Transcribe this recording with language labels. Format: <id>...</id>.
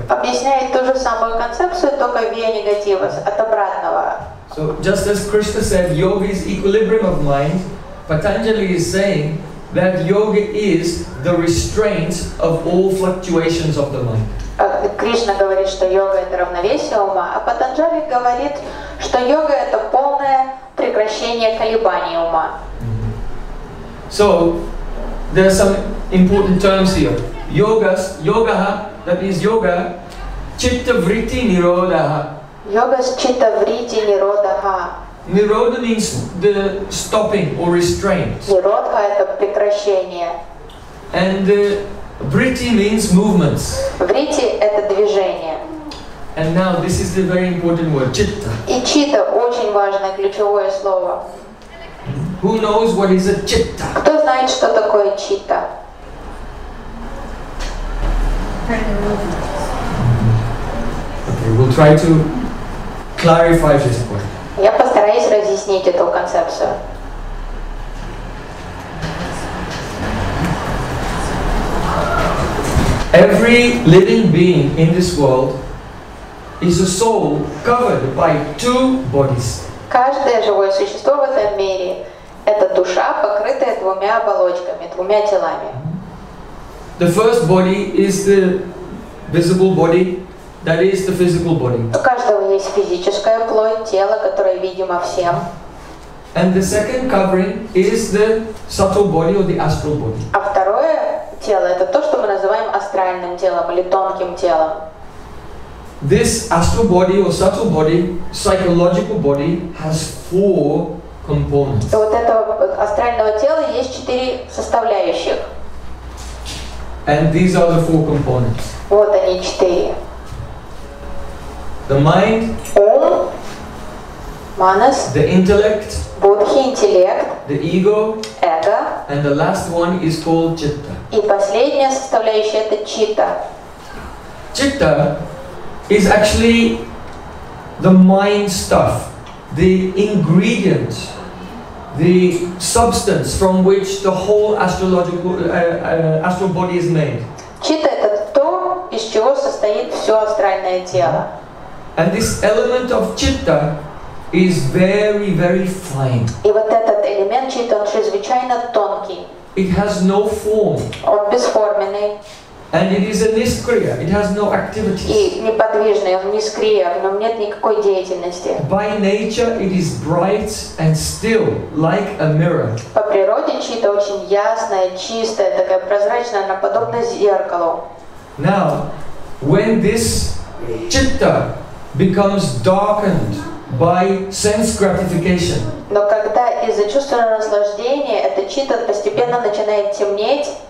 <ru>Объясняет ту же самую концепцию, только</ru> <la>via negativa,</la> <ru>от обратного.</ru> <en>So just as Krishna said, yoga is equilibrium of mind, Patanjali is saying that yoga is the restraint of all fluctuations of the mind.</en> <ru>Кришна говорит, что йога это равновесие ума, а Патанджали говорит, что йога это полное прекращение колебаний ума.</ru> <en>So there are some important terms here.</en> <sa>Yogas, yogaha,</sa> <en>that is yoga,</en> <sa>chitta vritti nirodaha. Yogas chitta vritti nirodaha.</sa> <en>Nirodha means the stopping or restraint.</en> <ru>Nirodha это прекращение.</ru> <en>And vritti means movements.</en> <ru>Vritti это движение.</ru> <en>And now this is the very important word, chitta.</en> <ru>И chitta очень важное ключевое слово.</ru> <en>Who knows what is a chitta?</en> <ru>Кто знает, что такое chitta?</ru> <en>Okay, we'll try to clarify this point.</en> <ru>Я постараюсь разъяснить эту концепцию.</ru> <en>Every living being in this world is a soul covered by two bodies.</en> <ru>Каждое живое существо в этом мире это душа, покрытая двумя оболочками, двумя телами.</ru> <en>The first body is the visible body, that is the physical body.</en> <ru>У каждого есть физическая плоть, тело, которое видимо всем.</ru> <en>And the second covering is the subtle body or the astral body.</en> <ru>А второе тело это то, что мы называем астральным телом или тонким телом.</ru> <en>This astral body or subtle body, psychological body, has four components.</en> <ru>Вот этого астрального тела есть четыре составляющих.</ru> <en>And these are the four components.</en> <ru>Вот они четыре.</ru> <en>The mind.</en> <ru>Ум. Манас.</ru> <en>The intellect.</en> <ru>Будхи, интеллект.</ru> <en>The ego.</en> <ru>Эго.</ru> <en>And the last one is called citta.</en> <ru>И последняя составляющая это citta.</ru> <en>Citta is actually the mind stuff, the ingredients, the substance from which the whole astral body is made.</en> <ru>Чита это то, из чего состоит все астральное тело.</ru> <en>And this element of chitta is very, very fine.</en> <ru>И вот этот элемент чита чрезвычайно тонкий.</ru> <en>It has no form.</en> <ru>Он бесформенный.</ru> <en>And it is a niskriya, it has no activities.</en> <ru>И неподвижный, он нискрия, в нем нет никакой деятельности.</ru> <en>By nature it is bright and still, like a mirror.</en> <ru>По природе чита очень ясная, чистая, такая прозрачная, она подобна зеркалу.</ru> <en>Now, when this chitta becomes darkened by sense gratification.</en> <ru>Но когда из-за чувственного наслаждения эта чита постепенно начинает темнеть.</ru>